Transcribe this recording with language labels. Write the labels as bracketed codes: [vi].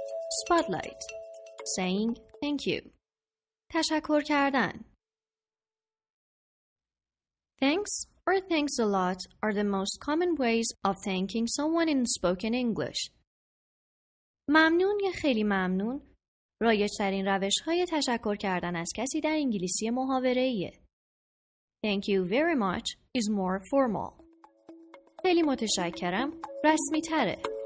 [en] Spotlight. Saying thank you. [fa] تشکر کردن. [en] Thanks or thanks a lot are the most common ways of thanking someone in spoken English. [fa] ممنون یا خیلی ممنون رایج‌ترین روش‌های تشکر کردن از کسی در انگلیسی محاوره‌ایه. [en] Thank you very much is more formal. [fa] خیلی متشکرم رسمی‌تره.